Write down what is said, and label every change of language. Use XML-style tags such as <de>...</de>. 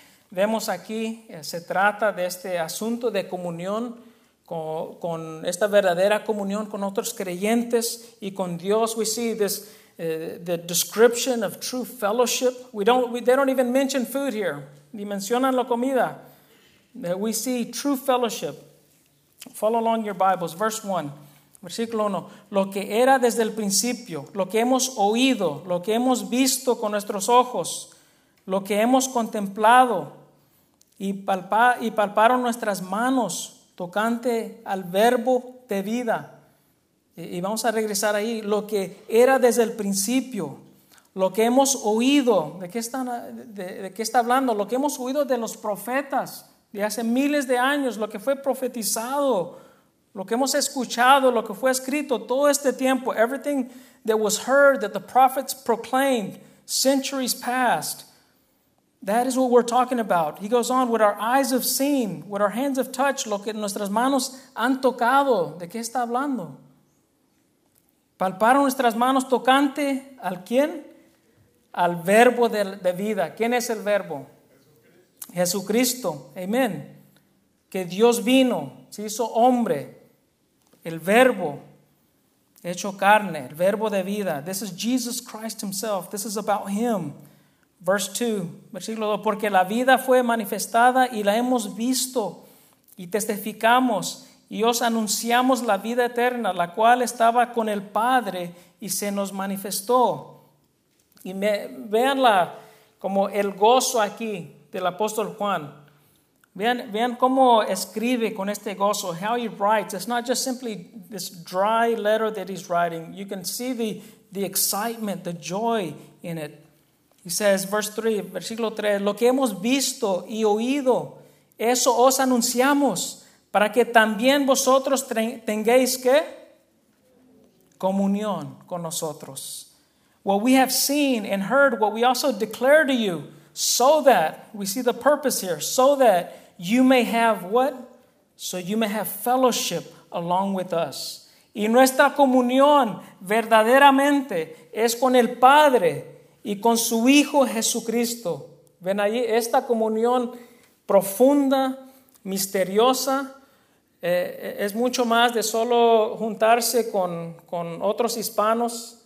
<es>Vemos aquí, se trata de este asunto de comunión con esta verdadera comunión con otros creyentes y con Dios.</es> <en>We see this the description of true fellowship. They don't even mention food here.</en> <es>Ni mencionan la comida.</es> <en>We see true fellowship. Follow along your Bibles. Verse 1.</en> <es>Versículo 1. Lo que era desde el principio, lo que hemos oído, lo que hemos visto con nuestros ojos, lo que hemos contemplado y palparon nuestras manos tocante al verbo de vida. Y vamos a regresar ahí. Lo que era desde el principio, lo que hemos oído. ¿De qué está hablando? Lo que hemos oído de los profetas de hace miles de años, lo que fue profetizado, lo que hemos escuchado, lo que fue escrito todo este tiempo.</es> <en>Everything that was heard, that the prophets proclaimed centuries past. That is what we're talking about. He goes on, what our eyes have seen, what our hands have touched,</en> <es>lo que nuestras manos han tocado. ¿De qué está hablando? Palparon nuestras manos tocante, ¿al quién? Al verbo de vida. ¿Quién es el verbo? Jesucristo. Amén. Que Dios vino, se hizo hombre. El verbo hecho carne, el verbo de vida.</es> <en>This is Jesus Christ himself. This is about him. Verse 2,</en> <es>versículo 2, porque la vida fue manifestada y la hemos visto y testificamos y os anunciamos la vida eterna, la cual estaba con el Padre y se nos manifestó. Y véanla como el gozo aquí del apóstol Juan. Vean cómo escribe con este gozo.</es> <en>How he writes. It's not just simply this dry letter that he's writing. You can see the excitement, the joy in it. He says, verse 3,</en> <es>versículo 3, lo que hemos visto y oído, eso os anunciamos, para que también vosotros tengáis, ¿qué? Comunión con nosotros.</es> <en>What we have seen and heard, what we also declare to you, so that, we see the purpose here, so that you may have what? So you may have fellowship along with us.</en> <es>Y nuestra comunión verdaderamente es con el Padre y con su Hijo Jesucristo. Ven ahí, esta comunión profunda, misteriosa, es mucho más de solo juntarse con otros hispanos.</es>